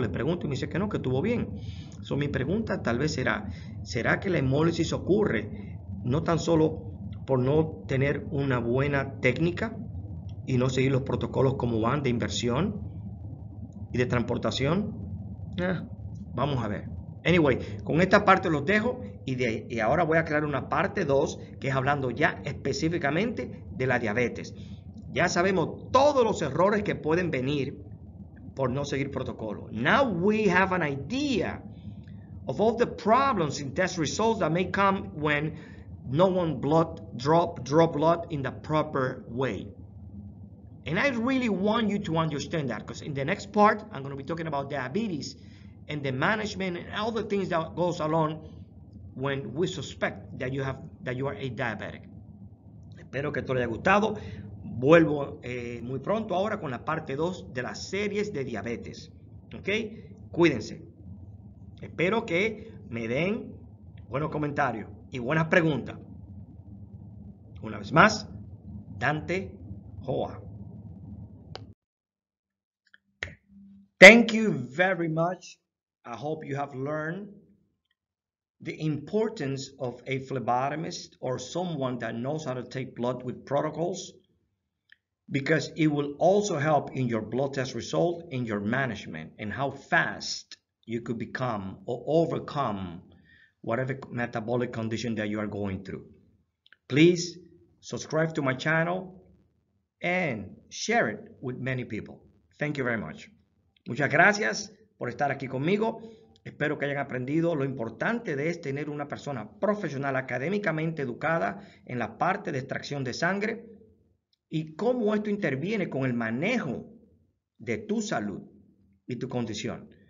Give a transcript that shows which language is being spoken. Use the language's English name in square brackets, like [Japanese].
[Spanish] Le pregunto y me dice que no, que estuvo bien. So, mi pregunta tal vez será, ¿será que la hemólisis ocurre no tan solo por no tener una buena técnica y no seguir los protocolos como van de inversión y de transportación? Vamos a ver. Anyway, con esta parte los dejo y ahora voy a crear una parte 2 que es hablando ya específicamente de la diabetes. Ya sabemos todos los errores que pueden venir por no seguir protocolo. [English] Now we have an idea of all the problems in test results that may come when no one draw blood in the proper way. And I really want you to understand that, because in the next part, I'm going to be talking about diabetes and the management and all the things that goes along when we suspect that you are a diabetic. [Spanish] Espero que esto les haya gustado. Vuelvo muy pronto ahora con la parte 2 de las series de diabetes. ¿Ok? Cuídense. Espero que me den buenos comentarios y buenas preguntas. Una vez más, Dante Joa. [English] Thank you very much. I hope you have learned the importance of a phlebotomist or someone that knows how to take blood with protocols, because it will also help in your blood test result, in your management, and how fast you could become or overcome whatever metabolic condition that you are going through. Please subscribe to my channel and share it with many people. Thank you very much. [Spanish] Muchas gracias por estar aquí conmigo. Espero que hayan aprendido lo importante de es tener una persona profesional académicamente educada en la parte de extracción de sangre y cómo esto interviene con el manejo de tu salud y tu condición.